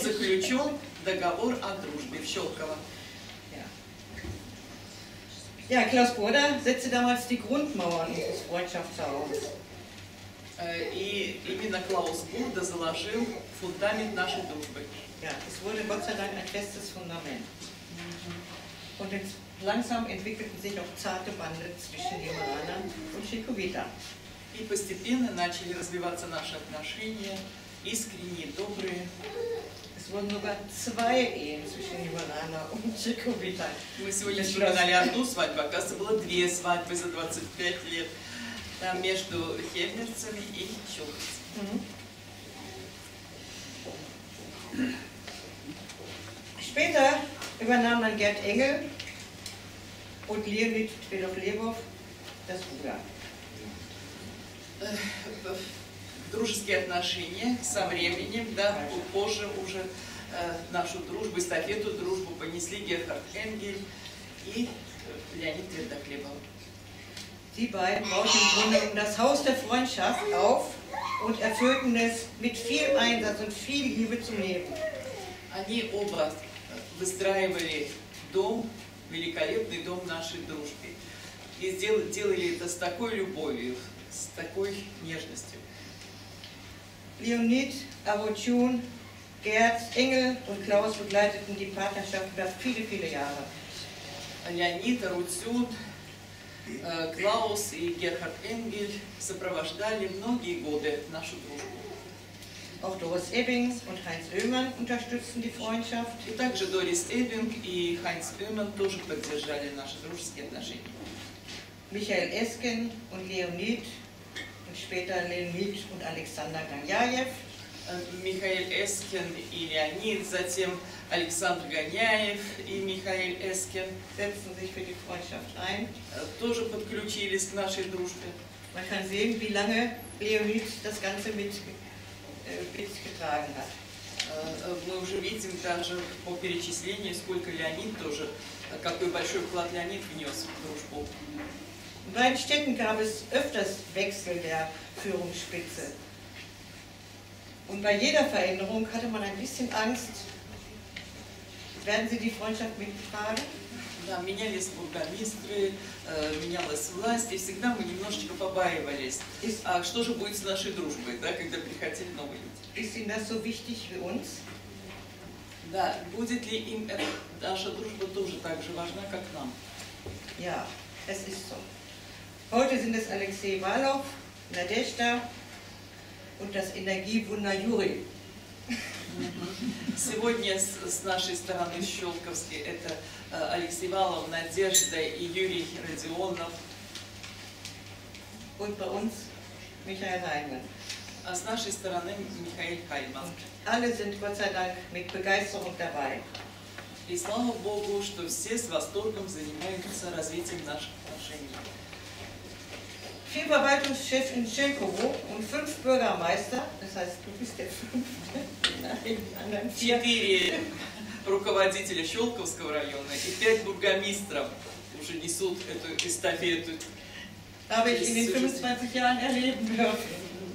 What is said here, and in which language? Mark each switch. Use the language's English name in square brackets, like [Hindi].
[Russian] заключен договор о дружбе в Щелково. [German] Ja, Klaus Burda setzte damals die Grundmauern unseres Freundschaftshauses. [Russian] И именно Klaus Burda заложил фундамент нашей дружбы. [German] Ja, es wurde Gott sei Dank ein festes Fundament. Und jetzt langsam entwickelten sich auch zarte Bande zwischen Hemeranern und Tschechowita. [Russian] И постепенно начали развиваться наши отношения, искренние, добрые. [German] Es wurden sogar zwei Ehen zwischen Hemerana und Tschechowita. [Russian] Мы сегодня вспоминали одну свадьбу, оказывается, было две свадьбы за 25 лет. Там между хемерцами и тщелковцами. [German] Später übernahm dann Gerd Engel und Leonid Tvedov-Lebov das Ruder. [Russian] Дружеские отношения со временем, да, позже уже нашу дружбу, эстафету дружбу понесли Герхард Энгель и Леонид Твердохлебов. [German] Die beiden bauten im Grunde das Haus der Freundschaft auf und erfüllten es mit viel Einsatz und viel Liebe zum Leben. [Russian] Они оба выстраивали дом, великолепный дом нашей дружбы. И делали это с такой любовью, с такой нежностью. [German] Leonid, Avotjun, Gerd, Engel und Klaus begleiteten die Partnerschaft über viele, viele Jahre. [Russian] Леонид, Авотюн, Клаус и Герхард Энгель сопровождали многие годы нашу дружбу. [German] Auch Doris Ebbing und Heinz Oehmann unterstützten die Freundschaft. [Russian] И также Дорис Эббинг и Хайнц Оемен тоже поддержали наши дружеские отношения. [German] Michael Esken und Leonid und später Leonid und Alexander Ganjajew. [Russian] Михаил Эскин и Леонид, затем Александр Гоняев и Михаил Эскин [German] setzen sich für die Freundschaft ein. [Russian] Тоже подключились к нашей дружбе. [German] Man kann sehen, wie lange Leonid das Ganze mitgetragen hat. [Russian] Мы уже видим также по перечислению, сколько Леонид тоже, какой большой вклад Леонид внес в дружбу. [German] Bei Städten gab es öfters Wechsel der Führungsspitze. Und bei jeder Veränderung hatte man ein bisschen Angst. Werden Sie die Freundschaft mitfragen? [Russian] Да, менялись бургомистры, менялась власть, и всегда мы немножечко побаивались. А что же будет с нашей дружбой, да, когда приходили новые люди? [German] Ist Ihnen das so wichtig wie uns? [Russian] Да, будет ли им наша дружба тоже так же важна, как нам? [German] Ja, es ist so. Heute sind es Alexei Walow, Nadezhda und das Energiewunder Juri. [Russian] Сегодня с нашей стороны Щелковский это Алексей Валов, Надежда и Юрий Родионов. [German] Und bei uns Michael Heimann. [Russian] А с нашей стороны Михаил Хайман. [German] Alle sind Gott sei Dank mit Begeisterung dabei. [Russian] И слава Богу, что все с восторгом занимаются развитием наших отношений. [German] Vier Verwaltungschefs in Chelkovo und fünf Bürgermeister, das heißt, du bist der fünfte, nein, die anderen vier. [Russian] Руководители Щелковского района и пять бургомистров уже несут эту эстафету. [German] Habe ich in den 25 Jahren erleben dürfen.